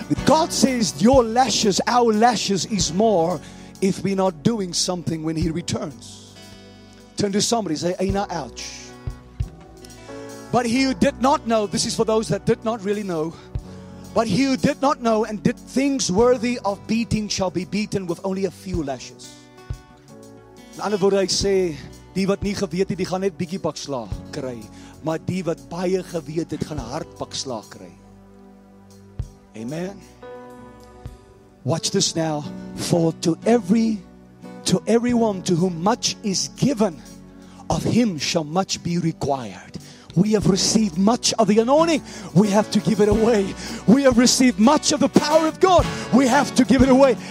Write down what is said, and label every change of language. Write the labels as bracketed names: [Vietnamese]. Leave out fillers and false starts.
[English] God says your lashes, our lashes is more if we're not doing something when he returns. Turn to somebody, say, ain't I ouch. But he who did not know, this is for those that did not really know. But he who did not know and did things worthy of beating shall be beaten with only a few lashes. [Afrikaans] In ander woorde, hy sê, die wat nie geweet het, die gaan net bietjie bakslag kry. Maar die wat baie geweet het, gaan hard bakslag kry. [English] Amen. Watch this now. For to everyone to whom much is given, of him shall much be required. We have received much of the anointing. We have to give it away. We have received much of the power of God. We have to give it away.